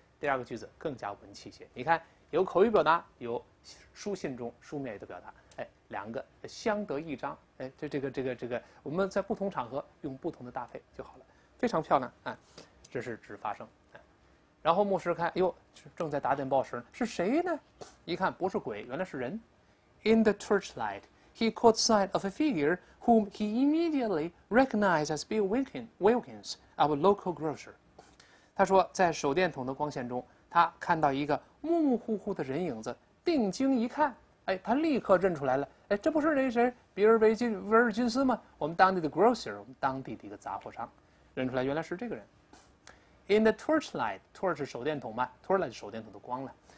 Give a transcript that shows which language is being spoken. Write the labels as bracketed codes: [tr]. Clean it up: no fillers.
[zh] 第二个句子更加文气些，你看有口语表达，有书信中书面的表达，哎，两个相得益彰，哎，这个，我们在不同场合用不同的搭配就好了，非常漂亮啊。这是指发生啊。然后牧师看，哟，正在打点报时，是谁呢？一看不是鬼，原来是人。 [en] In the torchlight, he caught sight of a figure whom he immediately recognized as Bill Wilkins, our local grocer. [zh] 他说，在手电筒的光线中，他看到一个模模糊糊的人影子。定睛一看，哎，他立刻认出来了。哎，这不是那谁，比尔·威尔金斯吗？我们当地的 grocer，我们当地的一个杂货商，认出来原来是这个人。 [en] In the torchlight, [zh] torch 是手电筒嘛，torchlight 手电筒的光了。